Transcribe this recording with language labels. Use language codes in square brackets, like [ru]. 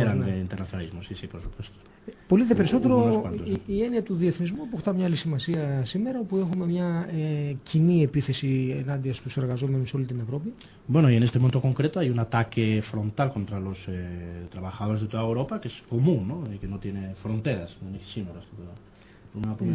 [el] ήταν [es] internacionalismo, sí, sí, por supuesto. [el] Πολύ δε περισσότερο η έννοια του διεθνισμού αποκτά μια άλλη σημασία σήμερα, όπου έχουμε μια κοινή επίθεση ενάντια στους εργαζόμενους σε όλη την Ευρώπη. [es] Bueno, y en este momento concreto hay un ataque frontal contra los trabajadores de toda Europa, que es común, ¿no? Y que no tiene fronteras, no tiene σύνορα.